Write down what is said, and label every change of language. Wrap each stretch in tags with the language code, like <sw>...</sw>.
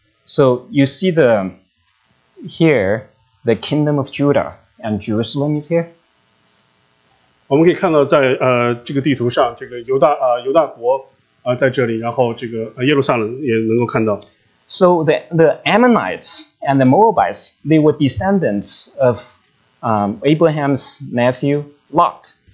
<en>So you see the here, the kingdom of Judah and Jerusalem is here.</en> <zh>我们可以看到在这个地图上，这个犹大国在这里，然后这个耶路撒冷也能够看到。So</zh> <en>the Ammonites and the Moabites, they were descendants of Abraham's nephew Lot.</en>